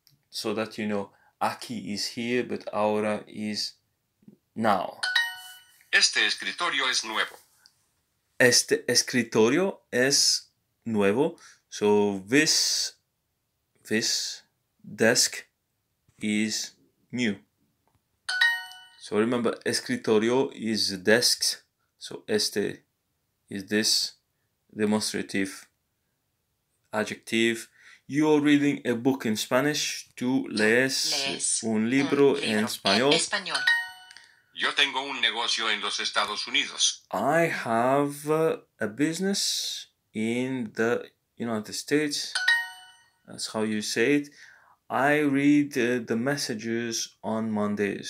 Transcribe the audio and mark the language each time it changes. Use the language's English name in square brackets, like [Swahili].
[English] So that you know, aquí is here, but ahora is now. [Spanish] Este escritorio es nuevo. Este escritorio es nuevo. [English] So this desk is new. So remember, escritorio is desks. So este is this, demonstrative, adjective. You are reading a book in Spanish. [Spanish] Tú lees un libro en español. Yo tengo un negocio en los Estados Unidos. [English] I have a business in the United States. That's how you say it. I read the messages on Mondays.